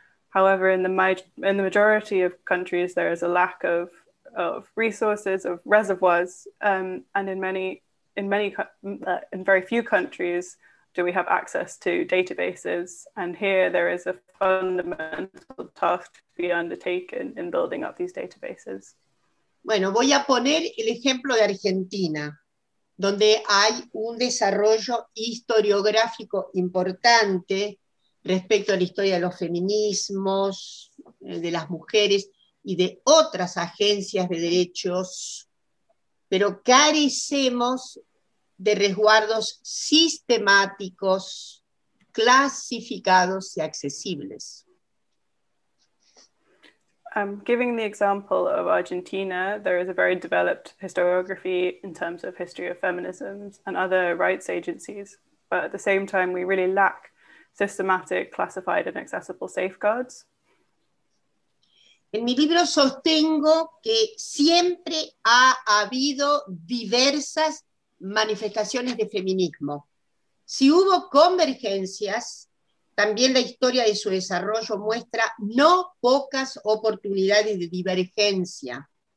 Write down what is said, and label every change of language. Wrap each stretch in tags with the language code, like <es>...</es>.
<en>However, in the majority of countries, there is a lack of resources, of reservoirs, and in very few countries do we have access to databases. And here there is a fundamental task to be undertaken in building up these databases.</en> <es>Bueno, voy a poner el ejemplo de Argentina, donde hay un desarrollo historiográfico importante respecto a la historia de los feminismos, de las mujeres y de otras agencias de derechos, pero carecemos de resguardos sistemáticos, clasificados y accesibles.</es> <en>Giving the example of Argentina, there is a very developed historiography in terms of history of feminisms and other rights agencies, but at the same time we really lack systematic, classified and accessible safeguards.</en> <es>En mi libro sostengo que siempre ha habido diversas manifestaciones de feminismo. Si hubo convergencias, también la historia de su desarrollo muestra no pocas oportunidades de divergencia.</es>